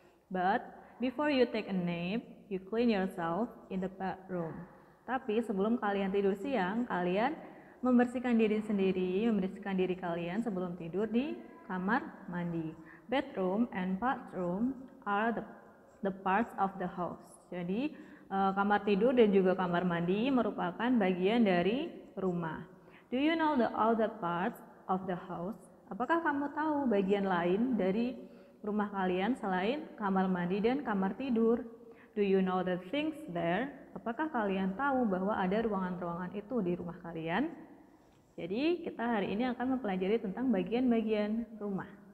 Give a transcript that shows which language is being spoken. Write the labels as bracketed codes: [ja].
[en] But before you take a nap, you clean yourself in the bedroom. [id] Tapi sebelum kalian tidur siang, kalian membersihkan diri sendiri, membersihkan diri kalian sebelum tidur di kamar mandi. [en] Bedroom and bathroom are the parts of the house. [id] Jadi kamar tidur dan juga kamar mandi merupakan bagian dari rumah. [en] Do you know the other parts of the house? [id] Apakah kamu tahu bagian lain dari rumah kalian selain kamar mandi dan kamar tidur? [en] Do you know the things there? [id] Apakah kalian tahu bahwa ada ruangan-ruangan itu di rumah kalian? Jadi, kita hari ini akan mempelajari tentang bagian-bagian rumah.